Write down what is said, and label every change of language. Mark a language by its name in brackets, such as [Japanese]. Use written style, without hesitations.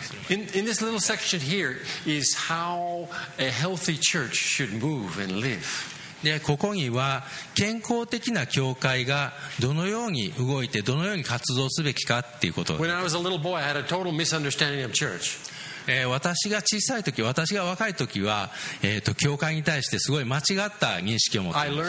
[English] in this little section here is how a healthy church should move and live. [Japanese] でここには健康的な教会がどのように動いてどのように活動すべきかっていうこと。 [English] When I was a little boy, I had a total misunderstanding of church. [Japanese] 私が小さい時、私が若い時は、教会に対してすごい間違った認識を持っています。